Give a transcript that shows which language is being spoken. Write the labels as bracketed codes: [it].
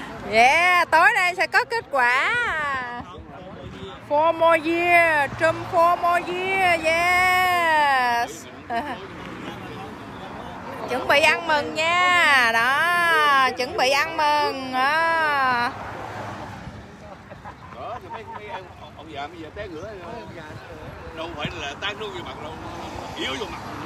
[vi] Yeah, tối nay sẽ có kết quả. [en] 4 more years, Trump 4 more years, yes. [vi] Chuẩn bị ăn mừng nha, đó, chuẩn bị ăn mừng. Đó, mấy ông già bây giờ té ngửa. Đâu phải là tan luôn vô mặt đâu, yếu vô mặt.